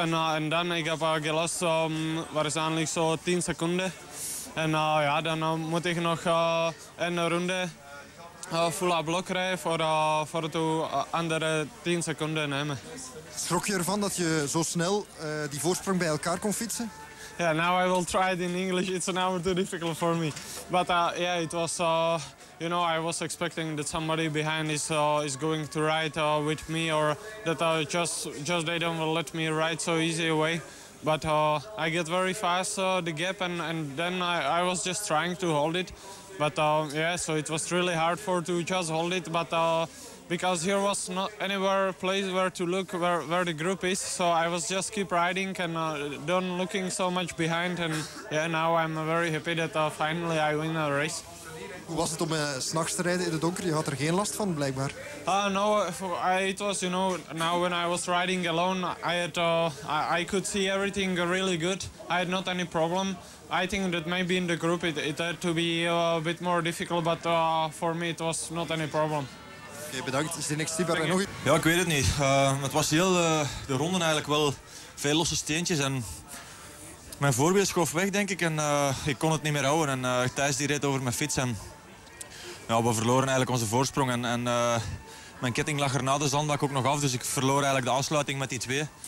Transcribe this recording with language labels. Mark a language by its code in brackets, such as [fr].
[nl] En dan heb ik gelost waarschijnlijk zo 10 seconden. En dan moet ik nog een ronde full à blok rijden voor de andere 10 seconden nemen. Schrok je ervan dat je zo snel die voorsprong bij elkaar kon fietsen? [en] Ja, yeah, now I will try it in English. It's an hour too difficult for me. But yeah, it was, you know, I was expecting that somebody behind is going to ride with me or that just they don't let me ride so easy away. But I get very fast the gap and then I was just trying to hold it. But it was really hard for to just hold it. But because here was not anywhere place where to look where the group is. So I was just keep riding and don't looking so much behind. And now I'm very happy that finally I win a race. [nl] Hoe was het om 's nachts te rijden in het donker? Je had er geen last van, blijkbaar. [en] Now when I was riding alone, I could see everything really good. I had not any problem. I think that maybe in the group it had to be a bit more difficult, but for me it was not any problem. [nl] Oké, bedankt. Is de next tipper nog? Ja, ik weet het niet. Het was heel de ronde eigenlijk wel veel losse steentjes en. Mijn voorwiel schoof weg, denk ik, en ik kon het niet meer houden. En Thijs die reed over mijn fiets en ja, we verloren eigenlijk onze voorsprong. En Mijn ketting lag er na de zandbak ook nog af, dus ik verloor eigenlijk de aansluiting met die twee.